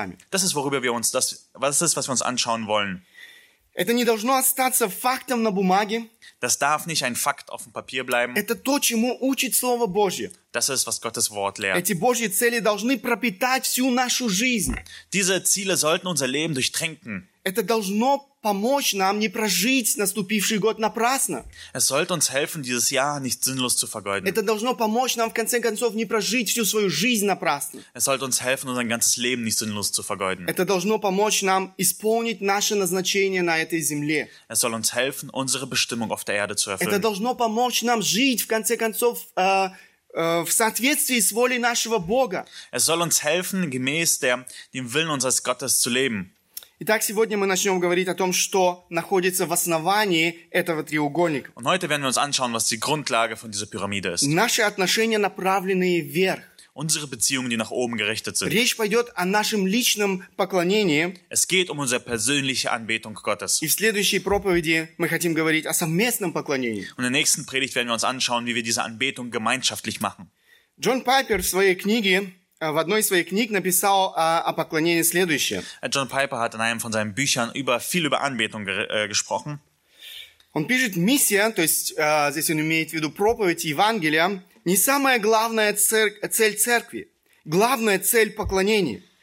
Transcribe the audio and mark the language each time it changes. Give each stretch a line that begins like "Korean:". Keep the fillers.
German: Das ist, worüber wir uns, das, was, ist, was wir uns anschauen wollen.
Russian: Это не должно остаться фактом на бумаге.
German: Das darf nicht ein Fakt auf dem Papier bleiben.
Russian: Это то, чему учит Слово Божье.
German: Das ist, was Gottes Wort lehrt.
Russian: Эти Божьи цели должны пропитать всю нашу жизнь.
German: Diese Ziele sollten unser Leben durchtränken.
Russian: Это должно помочь нам не прожить наступивший год напрасно.
German: Es sollte uns helfen, dieses Jahr nicht sinnlos zu vergeuden.
Russian: Это должно помочь нам в конце концов не прожить всю свою жизнь напрасно.
German: Es sollte uns helfen, unser ganzes Leben nicht sinnlos zu vergeuden.
Russian: Это должно помочь нам исполнить наше назначение на этой земле.
German: Es soll uns helfen, unsere Bestimmung auf der Erde zu erfüllen.
Russian: Это должно помочь нам жить в конце концов в соответствии с волей нашего Бога.
German: Es soll uns helfen, gemäß der, dem Willen unseres Gottes zu leben.
Russian: Итак, сегодня мы начнем говорить о том, что находится в основании этого треугольника.
German: Und heute werden wir uns anschauen, was die Grundlage von dieser Pyramide ist.
Russian: Наши отношения направлены вверх.
German: Unsere Beziehungen, die nach oben gerichtet sind.
Russian: Речь пойдет о нашем личном поклонении.
German: Es geht um unsere persönliche Anbetung Gottes.
Russian: И в следующей проповеди мы хотим говорить о совместном поклонении.
German: Und in der nächsten Predigt werden wir uns anschauen, wie wir diese Anbetung gemeinschaftlich machen.
Russian: Джон Пайпер в своей книге в одной из своих книг написал о, uh, о поклонении следующее. Джон Пайпер в одном из своих
German: seinen Büchern
Russian: о поклонении.
German: über, über äh,
Russian: Он пишет, миссия, то есть äh, uh, здесь он имеет в виду проповедь Евангелия, не самая главная цер цель церкви, главная цель поклонения.